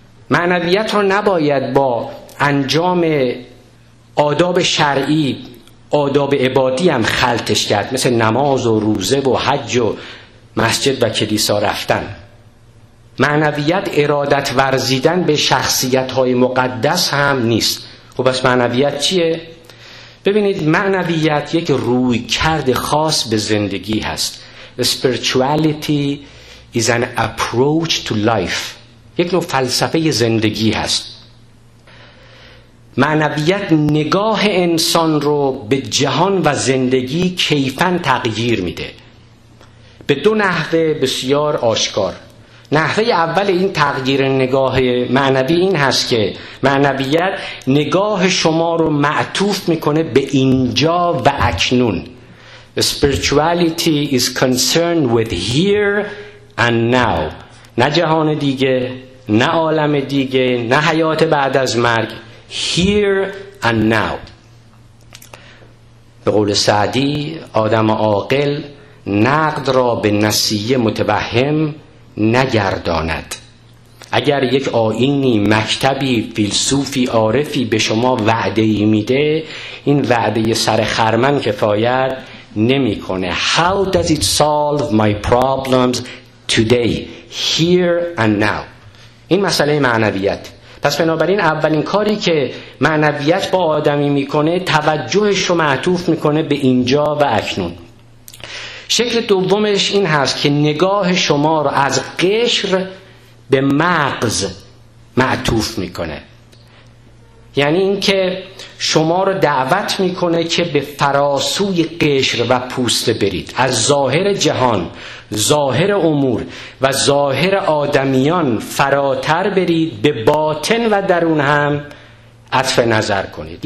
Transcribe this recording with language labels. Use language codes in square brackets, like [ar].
[fa] معنویت رو نباید با انجام آداب شرعی، آداب عبادی هم خلطش کرد، مثل نماز و روزه و حج و مسجد و کلیسا رفتن. معنویت ارادت ورزیدن به شخصیت‌های مقدس هم نیست. خب بس معنویت چیه؟ ببینید معنویت یک رویکرد خاص به زندگی هست. [en] Spirituality is an approach to life. [fa] یک نوع فلسفه زندگی هست. معنویت نگاه انسان رو به جهان و زندگی کیفاً تغییر میده. به دو نحوه بسیار آشکار. نحوه اول این تغییر نگاه معنوی این هست که معنویت نگاه شما رو معطوف میکنه به اینجا و اکنون. [en] Spirituality is concerned with here and now. [fa] نه جهان دیگه، نه عالم دیگه، نه حیات بعد از مرگ. [en] Here and now. [fa] به قول سعدی، آدم عاقل نقد را به نسیه متوهم نگرداند. اگر یک آیینی، مکتبی، فیلسوفی، عارفی به شما وعده‌ای میده، این وعده سر خرمن کفایت نمیکنه. [en] How does it solve my problems today, here and now؟ [fa] این مسئله معنویت. پس بنابراین اولین کاری که معنویت با آدمی میکنه توجهش رو معطوف میکنه به اینجا و اکنون. شکل دومش این هست که نگاه شما رو از قشر به مغز معطوف میکنه، یعنی اینکه شما رو دعوت میکنه که به فراسوی قشر و پوسته برید، از ظاهر جهان، ظاهر امور و ظاهر آدمیان فراتر برید، به باطن و درون هم عطف نظر کنید.